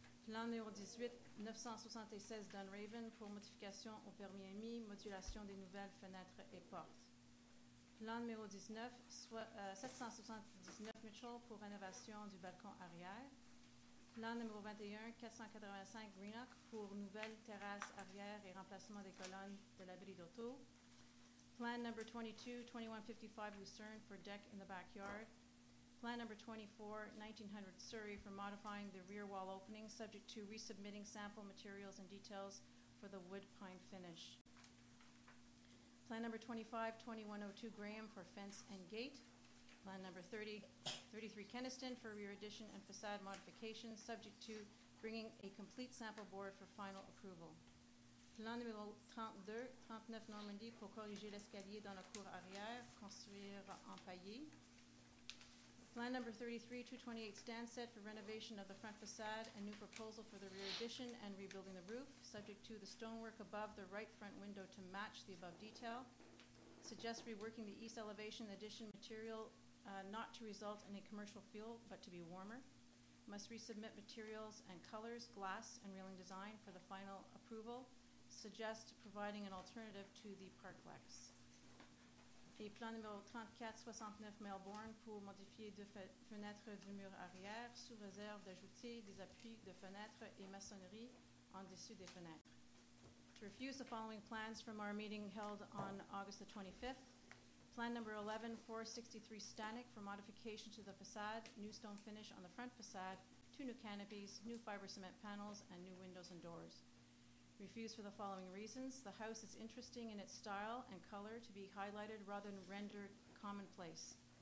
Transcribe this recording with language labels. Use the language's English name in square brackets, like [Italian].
[French] Plan numéro 18, 976 Dunraven pour modification au permis EMI, modulation des nouvelles fenêtres et portes. Plan numéro 19, 779 Mitchell pour rénovation du balcon arrière. Plan numéro 21, 485 Greenock pour nouvelle terrasse arrière et remplacement des colonnes de l'abri d'auto. [English] Plan number 22, 2155 Lucerne for deck in the backyard. Plan number 24, 1900 Surrey for modifying the rear wall opening subject to resubmitting sample materials and details for the wood pine finish. Plan number 25, 2102 Graham for fence and gate. Plan number 33 Keniston for rear addition and facade modification subject to bringing a complete sample board for final approval. [French] Plan numéro 39 Normandie pour corriger l'escalier dans la cour arrière, construire en paillé. [English] Plan number 33-228 Stansted for renovation of the front facade and new proposal for the rear addition and rebuilding the roof, subject to the stonework above the right front window to match the above detail. Suggest reworking the east elevation addition material not to result in a commercial feel, but to be warmer. Must resubmit materials and colors, glass, and railing design for the final approval. Suggest providing an alternative to the parklex. [French] Et plan numéro 34-69 Melbourne pour modifier deux fenêtres du mur arrière sous réserve d'ajouter des appuis de fenêtres et maçonnerie en dessus des fenêtres. [English] To refuse the following plans from our meeting held on August the 25th. Plan number 11-463 Stanek for modification to the facade, new stone finish on the front facade, two new canopies, new fiber cement panels, and new windows and doors. Refused for the following reasons. The house is interesting in its style and color to be highlighted rather than rendered commonplace.